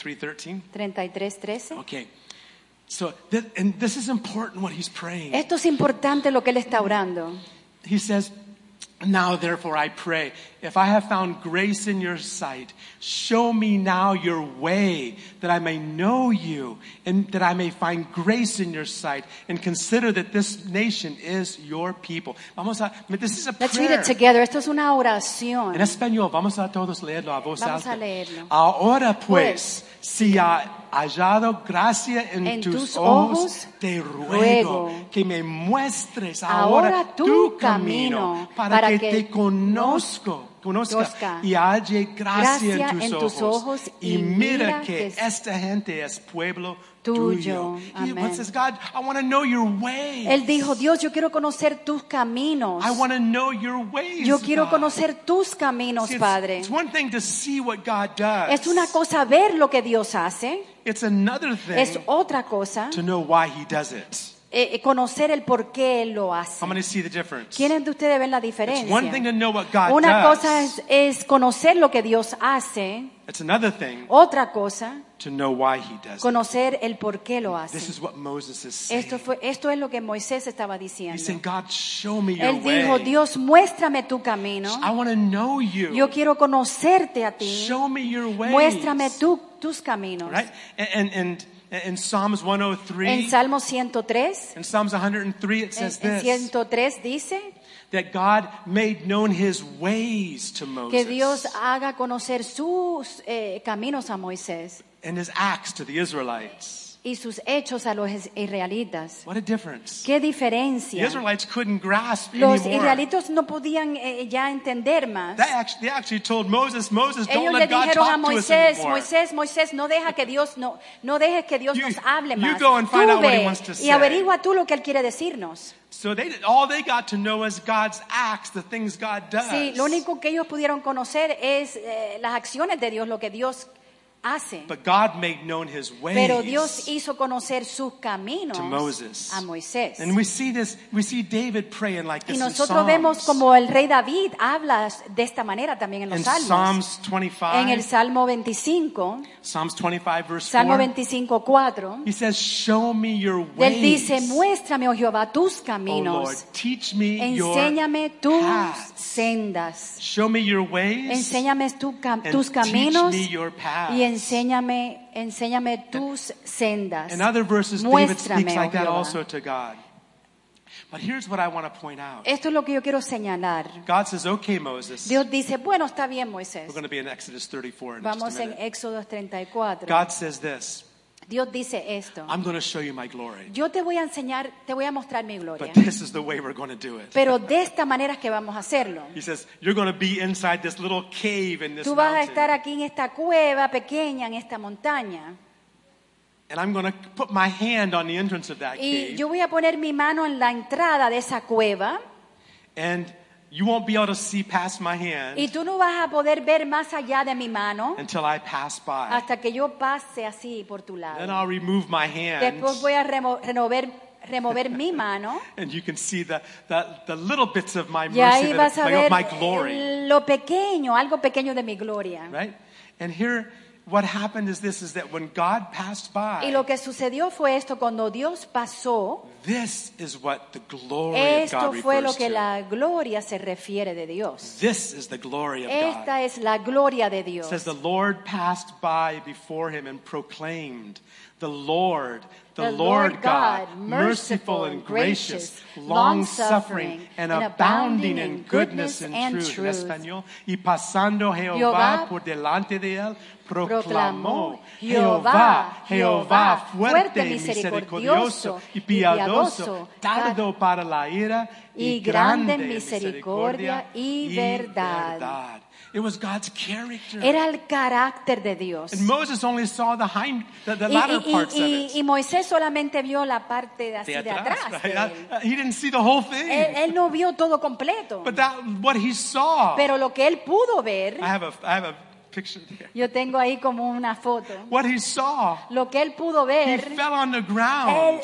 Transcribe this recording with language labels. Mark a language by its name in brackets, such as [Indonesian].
[English] Verse 13. Okay. So, and this is important what he's praying. [Spanish] Esto es importante lo que él está orando. [English] He says, now therefore I pray, if I have found grace in your sight, show me now your way that I may know you and that I may find grace in your sight and consider that this nation is your people. [Spanish] Vamos a, [English] this is a let's prayer. Read it together. [Spanish] Esto es una oración. En español, vamos a todos leerlo a voz vamos alta. A leerlo. Ahora pues, si ha hallado gracia en tus ojos, te ruego que me muestres ahora tu camino para que te conozca y halle gracia en tus ojos y mira que esta gente es pueblo tuyo. Amén. [English] He says, God, I want to know your ways. [Spanish] Él dijo, Dios, yo quiero conocer tus caminos. [English] I want to know your ways, [Spanish] yo quiero [English] God. [Spanish] Conocer tus caminos, [English] see, [Spanish] Padre. [English] It's one thing to see what God does. [Spanish] Es una cosa ver lo que Dios hace. [English] It's another thing [Spanish] es otra cosa [English] to know why he does it. [Spanish] Conocer el por qué él lo hace. ¿Quiénes de ustedes ven la diferencia? [English] It's one thing to know what God [Spanish] una [English] does. [Spanish] Cosa es conocer lo que Dios hace. [English] It's another thing [Spanish] otra cosa [English] to know why he does [Spanish] conocer [English] it. [Spanish] El por qué lo hace. [English] This is what Moses is saying. [Spanish] Esto es lo que Moisés estaba diciendo. [English] He's saying, God, show me your [Spanish] él dijo, [English] way. [Spanish] Dios, muéstrame tu camino. [English] I want to know you. [Spanish] Yo quiero conocerte a ti. [English] Show me your ways. [Spanish] Muéstrame tus caminos. [English] Right? In Psalms 103, [Spanish] en Salmo 103, [English] in Psalms 103, it says [Spanish] en 103 dice, [English] that God made known his ways to Moses. [Spanish] Que Dios haga conocer sus caminos a Moisés. [English] And his acts to the Israelites. [Spanish] Y sus hechos a los israelitas. [English] What a difference. [Spanish] ¿Qué diferencia? [English] The Israelites couldn't grasp [Spanish] los [English] anymore. [Spanish] Israelitos no podían ya entender más. [English] They actually told Moses, Moses, [Spanish] ellos [English] don't let God [Spanish] dijeron [English] talk [Spanish] a Moisés, [English] to us anymore. [Spanish] Moisés, Moisés, no deja que Dios no dejes que Dios nos hable más. [English] You go and find [Spanish] tú [English] out what he wants to say. [Spanish] Y averigua tú lo que él quiere decirnos. [English] So all they got to know is God's acts, the things God does. [Spanish] Sí, lo único que ellos pudieron conocer es las acciones de Dios, lo que Dios hace. [English] But God made known his ways [Spanish] pero Dios hizo conocer sus caminos [English] to Moses. [Spanish] A Moisés. [English] And we see this, we see David praying like this [Spanish] y nosotros [English] in Psalms. [Spanish] Vemos como el rey David habla de esta manera también en los [English] in [Spanish] Salmos. [English] Psalms 25, [Spanish] en el Salmo 25, [English] Psalms 25 verse 4, [Spanish] Salmo 25, 4, [English] he says, show me your ways. [Spanish] Él dice, muéstrame, oh Jehová, tus caminos. [English] Oh Lord, teach me [Spanish] enséñame [English] your [Spanish] tus [English] paths. [Spanish] Sendas. [English] Show me your ways. [Spanish] Enséñame tus [English] and [Spanish] caminos. [English] Teach me your paths. [Spanish] Y enséñame tus sendas. [English] In other verses, David speaks like that also to God. But here's what I want to point out. [Spanish] Esto es lo que yo quiero señalar. [English] God says, okay, Moses. [Spanish] Dios dice, bueno, está bien, Moisés. [English] We're going to be in Exodus 34 in [Spanish] vamos [English] just a [Spanish] en Éxodo 34. [English] God says this. [Spanish] Dios dice esto. [English] I'm going to show you my glory. [Spanish] Yo te voy a enseñar, te voy a mostrar mi gloria. [English] But this is the way we're going to do it. [Spanish] Pero de esta manera es que vamos a hacerlo. [English] He says, you're going to be inside this little cave in this mountain. [Spanish] Tú vas a estar aquí en esta cueva pequeña, en esta montaña. [English] And I'm going to put my hand on the entrance of that cave. [Spanish] Y yo voy a poner mi mano en la entrada de esa cueva. [English] And you won't be able to see past my hand. [Spanish] Y tú no vas a poder ver más allá de mi mano. [English] Until I pass by. [Spanish] Hasta que yo pase así por tu lado. [English] Then I'll remove my hand. [Spanish] Después voy a remover mi mano. [English] And you can see the little bits of my mercy. [Spanish] Y ahí vas a ver [English] my glory. [Spanish] Lo pequeño, algo pequeño de mi gloria. [English] Right? And here what happened is this is that when God passed by. [Spanish] Y lo que sucedió fue esto cuando Dios pasó. [English] This is what the glory [Spanish] esto [English] of God refers to. [Spanish] Esto fue lo que la gloria se refiere de Dios. [English] This is the glory of [Spanish] esta [English] God. [Spanish] Esta es la gloria de Dios. [English] It says the Lord passed by before him and proclaimed, the Lord, the Lord God, merciful and gracious, long-suffering, and abounding in goodness and truth. [Spanish] En español, y pasando Jehová por delante de él, proclamó Jehová fuerte y misericordioso y piadoso, tardo para la ira y grande en misericordia y verdad. [English] It was God's character. [Spanish] Era el carácter de Dios. [English] And Moses only saw the hind, the latter parts of it. [Spanish] Y Moisés solamente vio la parte de así de atrás. [English] Right? He didn't see the whole thing. [Spanish] Él no vio todo completo. [English] But that, what he saw. [Spanish] Pero lo que él pudo ver. [English] I have a picture there. [Spanish] Yo tengo ahí como una foto. [English] What he saw. [Spanish] Lo que él pudo ver. [English] He fell on the ground.